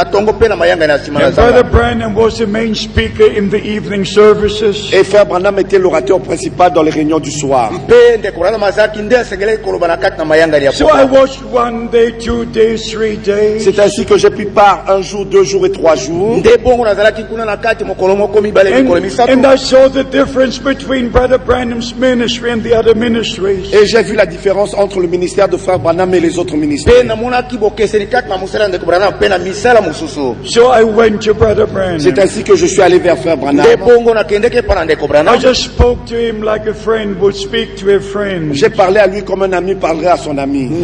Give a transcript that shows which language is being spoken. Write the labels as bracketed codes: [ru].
[en] Brother Branham was the main speaker in the evening services. [fr] Et Frère Branham était l'orateur principal dans les réunions du soir. [en] So I watched one day, two days, three days. [fr] C'est ainsi que j'ai pris part un jour, deux jours et trois jours. [en] And I saw the difference between Brother Branham's ministry and the other ministries. [fr] Et j'ai vu la différence entre le ministère de Frère Branham et les autres ministères. [en] So I went to Brother Branham. [fr] C'est ainsi que je suis allé vers Frère Branham. [en] I just spoke to him like a friend would speak to a friend. [fr] J'ai parlé à lui comme un ami parlerait à son ami.